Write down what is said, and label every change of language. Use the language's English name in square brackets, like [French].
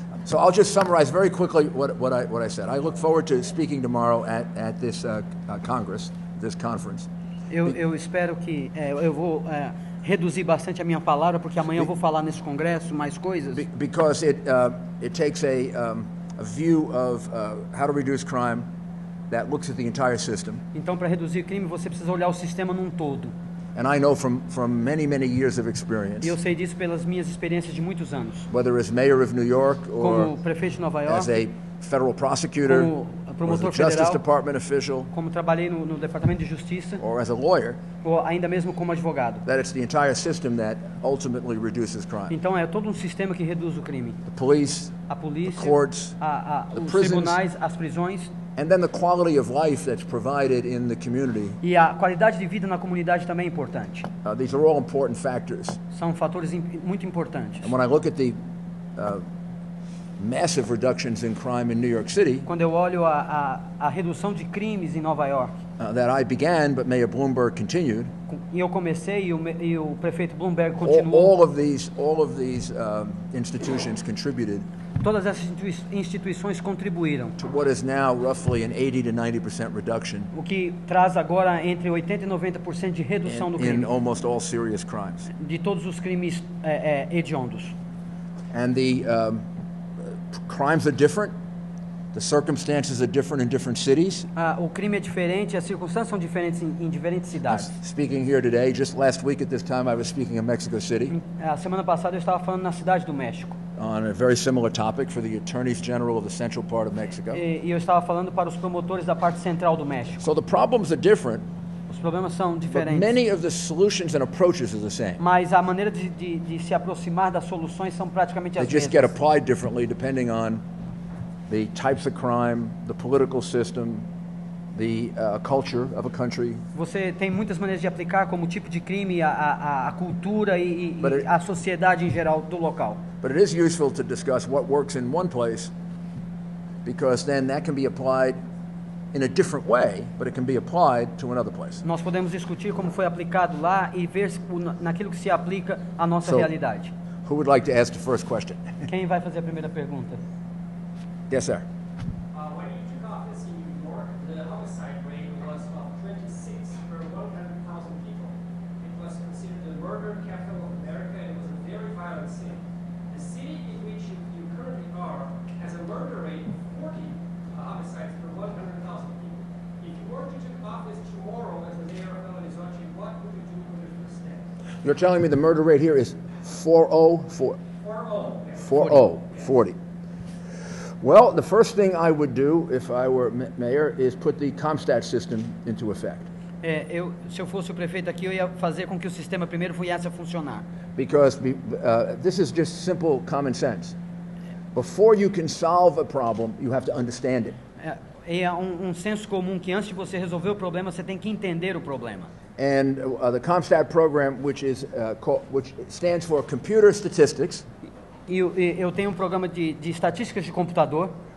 [English] So I'll just summarize very quickly what I said. I look forward to speaking tomorrow at this Congress, this conference. [Portuguese] Eu espero que eu vou reduzir bastante a minha palavra porque amanhã eu vou falar nesse congresso mais coisas. [English] Because it takes a view of how to reduce crime that looks at the entire system. [Portuguese] Então para reduzir crime você precisa olhar o sistema num todo. [English] And I know from many, many years of experience. [Portuguese] Eu sei disso pelas minhas experiências de muitos anos. [English] Whether as mayor of New York or [Portuguese] como prefeito de Nova York, [English] as a federal prosecutor, [Portuguese] como promotor [English] or as a Justice [Portuguese] federal, [English] Department official, [Portuguese] como trabalhei no Departamento de Justiça, [English] or as a lawyer, [Portuguese] ou ainda mesmo como advogado. [English] That it's the entire system that ultimately reduces crime. [Portuguese] Então é todo um sistema que reduz o crime. [English] The police, [Portuguese] a polícia, [English] the courts, the prisons, [Portuguese] tribunais, as prisões. [English] And then the quality of life that's provided in the community. [Portuguese] E a qualidade de vida na comunidade também é importante. [English] These are all important factors. [Portuguese] São fatores muito importantes. [English] And when I look at the massive reductions in crime in New York City. [Portuguese] Quando eu olho a redução de crimes em Nova York. [English] That I began, but Mayor Bloomberg continued. [Portuguese] E eu comecei e o prefeito Bloomberg continuou. [English] All of these institutions contributed. [Portuguese] Todas essas instituições contribuíram. [English] To what is now roughly an 80-90% reduction. [Portuguese] O que traz agora entre 80-90% de redução do crime. [English] In almost all serious crimes. [Portuguese] De todos os crimes hediondos. [English] And the crimes are different. The circumstances are different in different cities. [Portuguese] O crime é diferente, as circunstâncias são diferentes em diferentes cidades. [English] I'm speaking here today, just last week at this time, I was speaking in Mexico City. [Portuguese] A semana passada eu estava falando na cidade do México. [English] On a very similar topic for the attorneys general of the central part of Mexico. [Portuguese] E eu estava falando para os promotores da parte central do México. [English] So the problems are different. [Portuguese] Os problemas são diferentes. [English] But many of the solutions and approaches are the same. [Portuguese] Mas a maneira de se aproximar das soluções são praticamente as mesmas. [English] They just get applied differently depending on the types of crime, the political system, the culture of a country. [Portuguese] Você tem muitas maneiras de aplicar como tipo de crime a cultura e a sociedade em geral do local. [English] But it is useful to discuss what works in one place because then that can be applied in a different way, but it can be applied to another place. [Portuguese] Nós podemos discutir como foi aplicado lá e ver naquilo que se aplica à nossa realidade. [English] Who would like to ask the first question? [Portuguese] Quem vai fazer a primeira pergunta? [English] Yes, sir. When you took office in New York, the homicide rate was about 26 per 100,000 people. It was considered the murder capital of America. It was a very violent city. The city in which you currently are has a murder rate of 40 homicides per 100,000 people. If you were to take office tomorrow as the mayor of Belo Horizonte, what would you do for the first step? You're telling me the murder rate here is 40. Well, the first thing I would do if I were mayor is put the Comstat system into effect. [Portuguese] Se eu fosse o prefeito aqui, eu ia fazer com que o sistema primeiro viesse a funcionar. [English] Because this is just simple common sense. Before you can solve a problem, you have to understand it. [Portuguese] É um senso comum que antes de você resolver o problema, você tem que entender o problema. [English] And the Comstat program, which is which stands for computer statistics. [Portuguese] Eu tenho um programa de estatísticas de computador.